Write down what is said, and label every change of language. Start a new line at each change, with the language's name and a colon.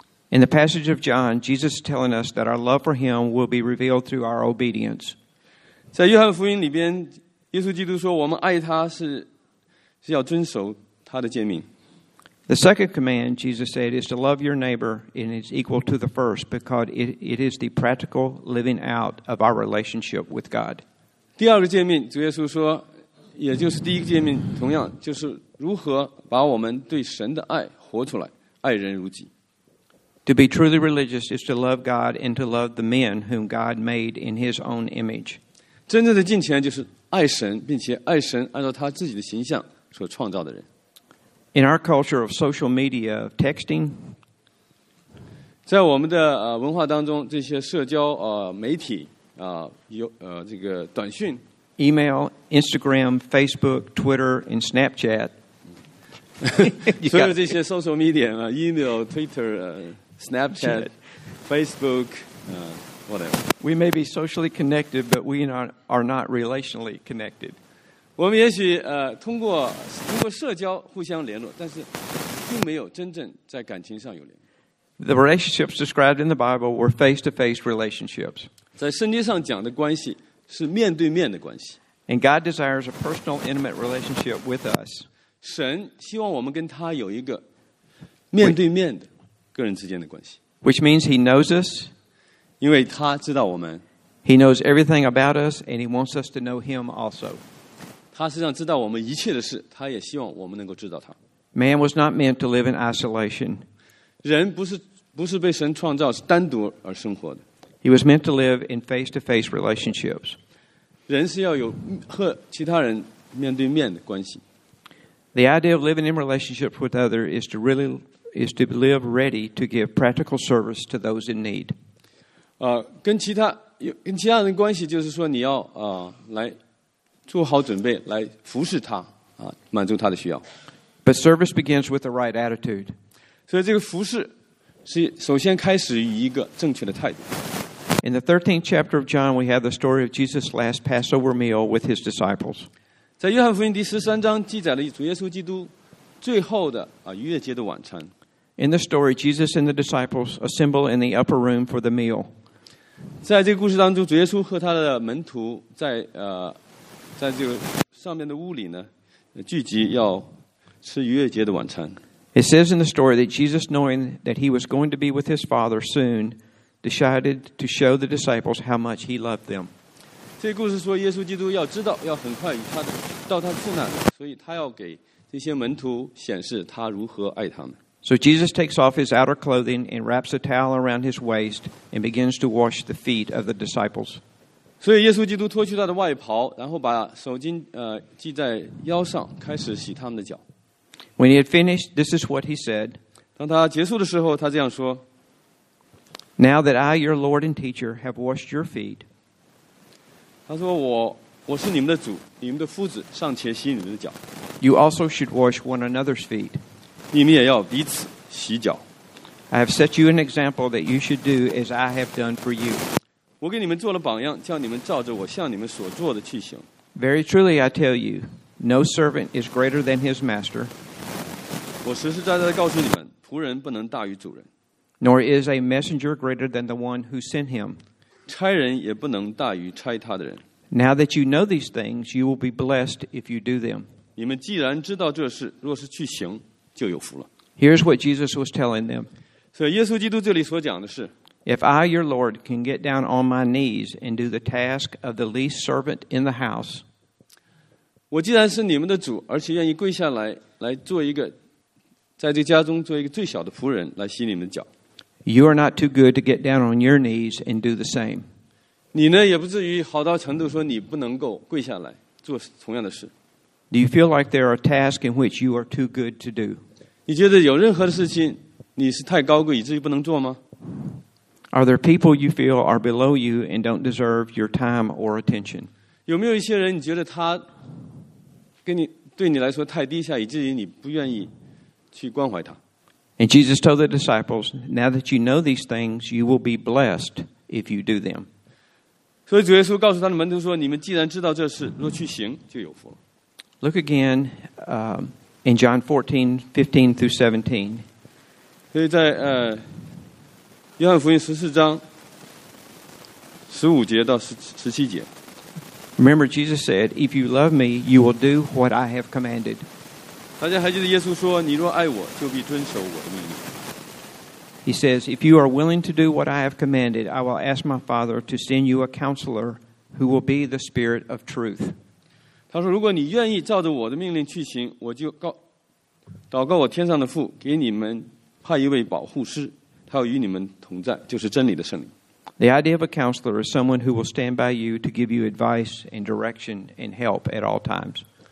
English: In the passage of John, Jesus is telling us that our love for him will be revealed through our obedience.
Chinese: 在约翰福音里边，耶稣基督说，我们爱他是要遵守他的诫命。
English: The second command, Jesus said, is to love your neighbor and is equal to the first because it is the practical living out of our relationship with God.
Chinese: 第二个诫命，主耶稣说，也就是第一个诫命，同样就是如何把我们对神的爱活出来，爱人如己。
English: To be truly religious is to love God and to love the men whom God made in His own image.
Chinese: 真正的敬虔就是爱神，并且爱神按照他自己的形象所创造的人。
English: In our culture of social media, texting,
Chinese: 在我们的文化当中，这些社交媒体这个短讯
English: ，email, Instagram, Facebook, Twitter, and Snapchat，
Chinese: 所有这些
English: social media 啊 ，email, Twitter, Snapchat, Facebook, whatever. We may be socially connected, but we are not relationally connected.
Chinese: 我们也许通过社交互相联络，但是并没有真正在感情上有联络。
English: The relationships described in the Bible were face-to-face relationships.
Chinese: 在圣经上讲的关系是面对面的关系。
English: And God desires a personal, intimate relationship with us.
Chinese: 神希望我们跟他有一个面对面的个人之间的关系。
English: Which means He knows us.
Chinese: 因为他知道我们。
English: He knows everything about us, and He wants us to know Him also.
Chinese: 他实际上知道我们一切的事，他也希望我们能够知道他。
English: Man was not meant to live in isolation.
Chinese: 人不是被神创造是单独而生活的。
English: He was meant to live in face-to-face relationships.
Chinese: 人是要有和其他人面对面的关系。
English: The idea of living in relationships with others is to live ready to give practical service to those in need.
Chinese: 跟其他人关系就是说你要来做好准备来服侍他满足他的需要。
English: But service begins with the right attitude.
Chinese: 所以这个服侍是首先开始以一个正确的态度。
English: In the 13th chapter of John, we have the story of Jesus' last Passover meal with his disciples.
Chinese: 在约翰福音第十三章记载了主耶稣基督最后的逾越节的晚餐。
English: In the story, Jesus and the disciples assemble in the upper room for the meal.
Chinese: 在这个故事当中，主耶稣和他的门徒在这个上面的屋里呢，聚集要吃逾越节的晚餐。
English: It says in the story that Jesus, knowing that he was going to be with his Father soon, decided to show the disciples how much he loved them.
Chinese: 这故事说耶稣基督要知道要很快与他的到他父那里，所以他要给这些门徒显示他如何爱他们。
English: So Jesus takes off his outer clothing and wraps a towel around his waist and begins to wash the feet of the disciples.
Chinese: 所以耶稣基督脱去他的外袍，然后把手巾系在腰上，开始洗他们的脚。
English: When he had finished, this is what he said.
Chinese: 当他结束的时候，他这样说。
English: Now that I, your Lord and teacher, have washed your feet,
Chinese: 他说我是你们的主，你们的夫子，尚且洗你们的脚。
English: You also should wash one another's feet.
Chinese: 你们也要彼此洗脚。
English: I have set you an example that you should do as I have done for you.
Chinese: 我给你们做了榜样，叫你们照着我向你们所做的去行。
English: Very truly I tell you, no servant is greater than his master.
Chinese: 我实实在在地告诉你们，仆人不能大于主人。
English: Nor is a messenger greater than the one who sent him.
Chinese: 差人也不能大于差他的人。
English: Now that you know these things, you will be blessed if you do them.
Chinese: 你们既然知道这事，若是去行，就有福了。
English: Here's what Jesus was telling them.
Chinese: 所以耶稣基督这里所讲的是
English: If I, your Lord, can get down on my knees and do the task of the least servant in the house.
Chinese: 我既然是你们的主，而且愿意跪下来，来做一个，在这家中做一个最小的仆人，来洗你们的脚。
English: You are not too good to get down on your knees and do the same.
Chinese: 你呢也不至于好到程度说你不能够跪下来做同样的事。
English: Do you feel like there are tasks in which you are too good to do?
Chinese: 你觉得有任何的事情你是太高贵以至于不能做吗？
English: Are there people you feel are below you and don't deserve your time or attention?
Chinese: 有没有一些人你觉得他跟你对你来说太低下以至于你不愿意去关怀他？
English: And Jesus told the disciples, now that you know these things, you will be blessed if you do them.
Chinese: 所以主耶稣告诉他的门徒说，你们既然知道这事，若去行，就有福了。
English: Look again, in John 14, 15 through 17.
Chinese: 所以在约翰福音十四章十五节到十七节。
English: Remember, Jesus said, if you love me, you will do what I have commanded.
Chinese: 大家还记得耶稣说，你若爱我，就必遵守我的命令。
English: He says, if you are willing to do what I have commanded, I will ask my Father to send you a counselor who will be the Spirit of truth.
Chinese: 他说，如果你愿意照着我的命令去行，我就祷告我天上的父，给你们派一位保护师。他要与你们同在，就是真理的圣灵。
English: The idea of a counselor is someone who will stand by you to give you advice and direction and help at all times.